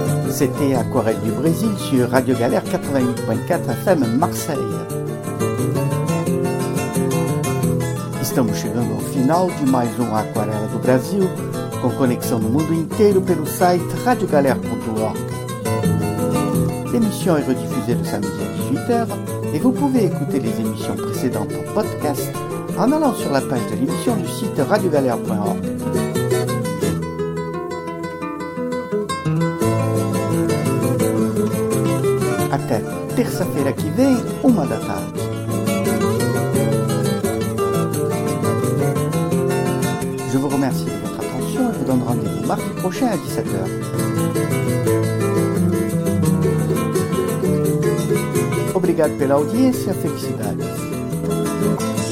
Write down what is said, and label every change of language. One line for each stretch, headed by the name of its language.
French: C'était Aquarelle du Brésil sur Radio Galère 88.4 FM Marseille.
Portuguese: Estamos chegando ao final de mais Aquarela do Brasil, com conexão no mundo inteiro pelo site radiogalère.org.
French: L'émission est rediffusée le samedi à 18h et vous pouvez écouter les émissions précédentes en podcast en allant sur la page de l'émission du site radiogalère.org.
Portuguese: Terça-feira que vem, 1 da tarde.
French: Je vous remercie de votre attention et vous donne rendez-vous mardi prochain à 17h.
Portuguese: Obrigado pela audiência, felicidades.